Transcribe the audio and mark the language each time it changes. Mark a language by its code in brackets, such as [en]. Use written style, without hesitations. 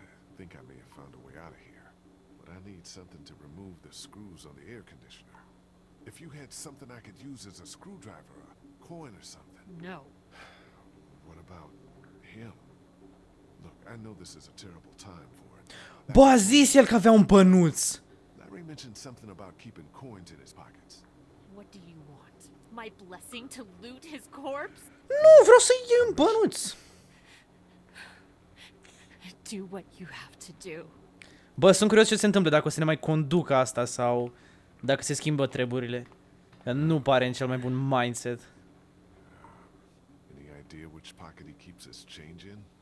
[en] I think I may have found a way out of here, but I need something to remove the screws on the air conditioner. If you had something I could use as a screwdriver, a coin or something. No. What about him? Look, I know this is a terrible time for it. [ro] Bă, a zis el că avea un pănuț. [en] Larry mentioned something about keeping coins in his pockets. What do you want? My blessing to loot his corpse? [ro] Nu, vreau să iei un pănuț. [en] Do what you have to do. [ro] Bă, sunt curios ce se întâmplă, dacă o să ne mai conducă asta sau dacă se schimbă treburile. Nu pare în cel mai bun mindset. [en] Any idea which pocket he keeps his change in?